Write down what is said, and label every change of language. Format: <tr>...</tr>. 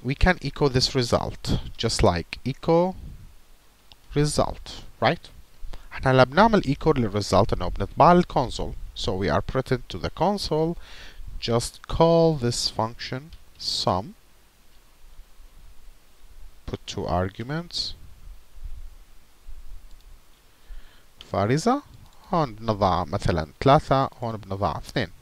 <en>We can echo this result just like echo result, right?</en> <ar>احنا هلا بنعمل echo للresult انه بنطبع للكونسول.</ar> <en>So we are printing to the console, just call this function sum, put two arguments.</en> <ar>فارزة، هون بنضع مثلا 3، هون بنضع 2.</ar>